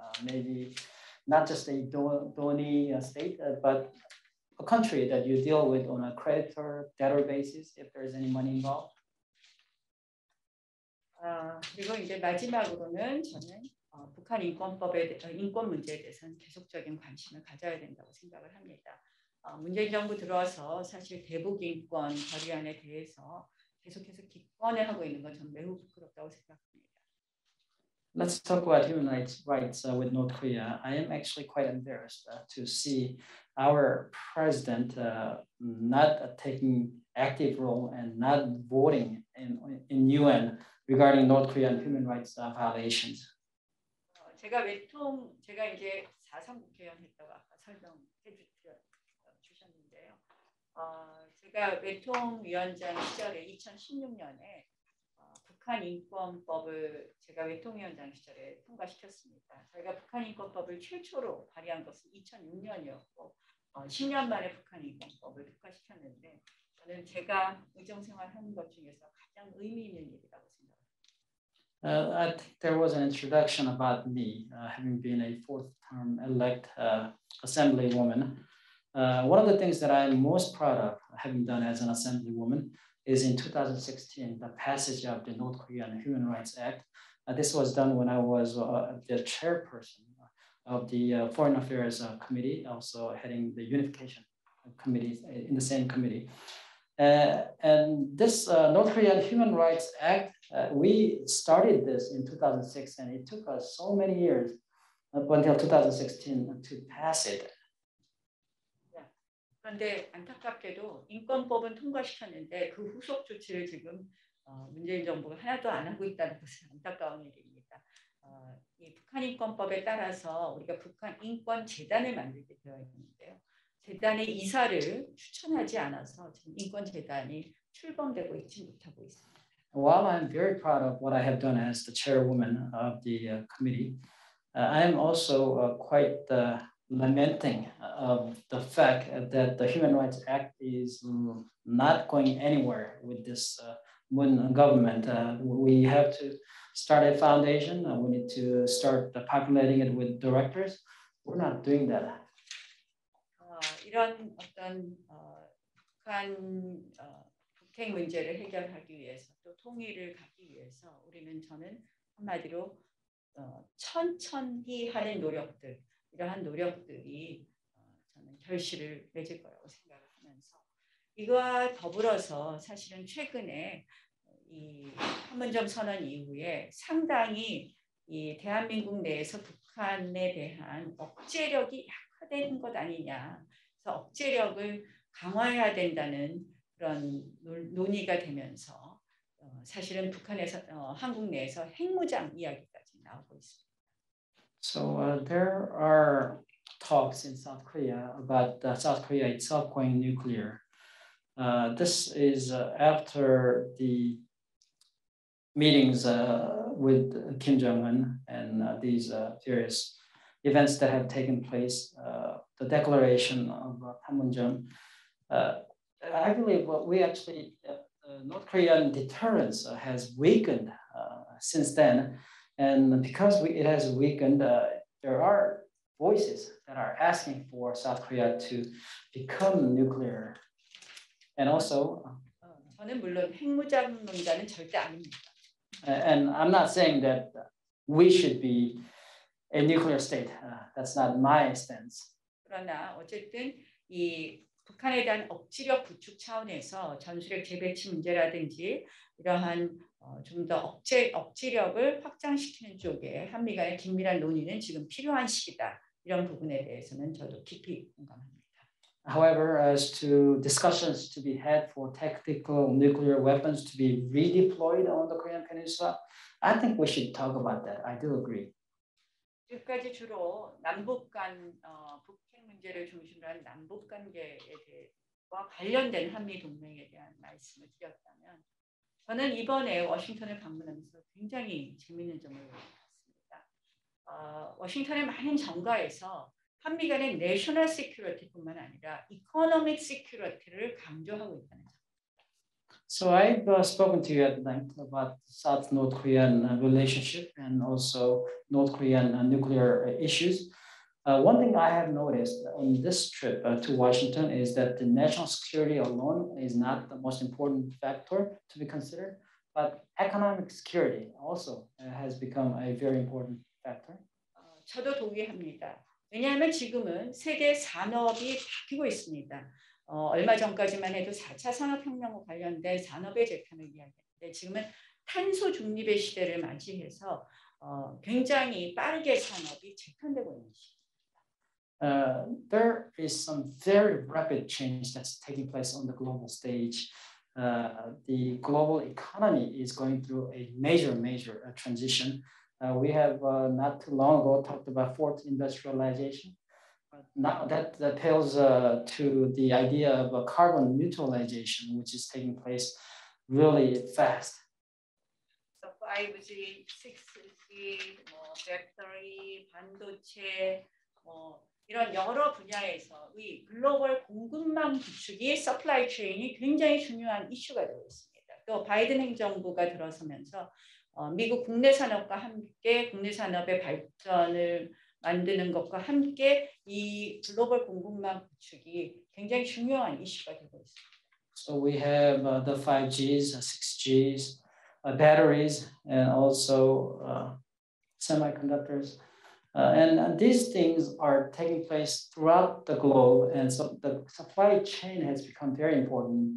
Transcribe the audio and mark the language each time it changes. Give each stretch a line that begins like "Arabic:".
English: Maybe not just a donee state, but a country that you deal with on a creditor debtor basis if there is any money involved.
Korean: 그리고 이제 마지막으로는 저는 북한 인권법에 인권 문제에 대해서는 계속적인 관심을 가져야 된다고 생각을 합니다. 문재인 정부 들어와서 사실 대북 인권 결의안에 대해서 계속해서 기권을 하고 있는 건 전 매우 부끄럽다고 생각합니다.
English: Let's talk about human rights with North Korea. I am actually quite embarrassed to see our president not taking active role and not voting in UN regarding North Korean human rights violations.
Korean: 제가 외통 제가 이제 4.3 국회의원 했다고 아까 설명해 주셨는데요. 제가 외통위원장 시절에 2016년에 북한인권법을 제가 외통위원장 시절에 통과시켰습니다. 저희가 북한인권법을 최초로 발의한 것은 2006년이었고 10년 만에 북한인권법을 통과시켰는데 저는 제가 의정생활하는 것 중에서 가장 의미 있는 일이라고 생각합니다.
English: I think there was an introduction about me, having been a fourth term elect assemblywoman. One of the things that I'm most proud of having done as an assemblywoman is in 2016, the passage of the North Korean Human Rights Act. This was done when I was the chairperson of the Foreign Affairs Committee, also heading the Unification Committee in the same committee. And this North Korean Human Rights Act, we started this in 2006, and it took us so many years up until 2016 to pass it. Yeah.
Korean: 그런데 안타깝게도 인권법은 통과시켰는데 그 후속 조치를 지금 문재인 정부가 하나도 안 하고 있다는 것은 안타까운 일입니다. 이 북한 인권법에 따라서 우리가 북한 인권 재단을 만들게 되어 있는데요. 재단의 이사를 추천하지 않아서 지금 인권 재단이 출범되고 있지 못하고 있습니다.
English: While I'm very proud of what I have done as the chairwoman of the committee, I am also quite lamenting of the fact that the Human Rights Act is not going anywhere with this Moon government. We have to start a foundation. We need to start populating it with directors. We're not doing that.
Korean: 이런 어떤 북한 북핵 문제를 해결하기 위해서 또 통일을 갖기 위해서 우리는 저는 한마디로 천천히 하는 노력들 이러한 노력들이 저는 결실을 맺을 거라고 생각을 하면서 이와 더불어서 사실은 최근에 이 판문점 선언 이후에 상당히 이 대한민국 내에서 북한에 대한 억제력이 약화된 것 아니냐 억제력을 강화해야 된다는 그런 논의가 되면서 사실은 북한에서 한국 내에서 핵무장 이야기까지 나오고 있습니다.
English: So there are talks in South Korea about South Korea itself going nuclear. This is after the meetings with Kim Jong-un and these various events that have taken place, the declaration of Panmunjom. I believe what we actually, North Korean deterrence has weakened since then. And because it has weakened, there are voices that are asking for South Korea to become nuclear. And also,
Korean: 저는 물론 핵무장 논자는 절대 아닙니다.
English: And I'm not saying that we should be a nuclear state. That's not my stance.
Korean: 그러나 어쨌든 이 북한에 대한 억지력 구축 차원에서 전술핵 재배치 문제라든지 이러한 좀 더 억지력을 확장시키는 쪽에 한미 간의 긴밀한 논의는 지금 필요한 시기다. 이런 부분에 대해서는 저도 깊이 공감합니다.
English: However, as to discussions to be had for tactical nuclear weapons to be redeployed on the Korean Peninsula, I think we should talk about that. I do agree.
Korean: 지금까지 주로 남북 간 북핵 문제를 중심으로 한 남북 관계에 대해와 관련된 한미 동맹에 대한 말씀을 드렸다면 저는 이번에 워싱턴을 방문하면서 굉장히 재미있는 점을 봤습니다. 워싱턴의 많은 정가에서 한미 간의 내셔널 시큐리티뿐만 아니라 이코노믹 시큐리티를 강조하고 있다는 점.
English: So I've spoken to you at length about South-North Korean relationship and also North Korean nuclear issues. One thing I have noticed on this trip to Washington is that the national security alone is not the most important factor to be considered, but economic security also has become a very important factor.
Korean: 저도 동의합니다. 왜냐하면 지금은 세계 산업이 바뀌고 있습니다. 얼마 전까지만 해도 4차 산업혁명과 관련된 산업의 재편을 이야기했는데 지금은 탄소 중립의 시대를 맞이해서 굉장히 빠르게 산업이 재편되고 있는 시기입니다.
English: There is some very rapid change that's taking place on the global stage. The global economy is going through a major transition. We have not too long ago talked about fourth industrialization. But now that pales to the idea of a carbon neutralization, which is taking place really fast.
Korean: So 5G, 6G, 뭐 배터리, 반도체, 뭐 이런 여러 분야에서 이 글로벌 공급망 구축이
English: supply chain
Korean: 이 굉장히 중요한 이슈가 되고 있습니다. 또 바이든 행정부가 들어서면서 미국 국내 산업과 함께 국내 산업의 발전을 만드는 것과 함께 이 글로벌 공급망 구축이 굉장히 중요한 이슈가 되고 있습니다.
English: So we have the 5G's, 6G's, batteries, and also semiconductors. And these things are taking place throughout the globe, and so the supply chain has become very important.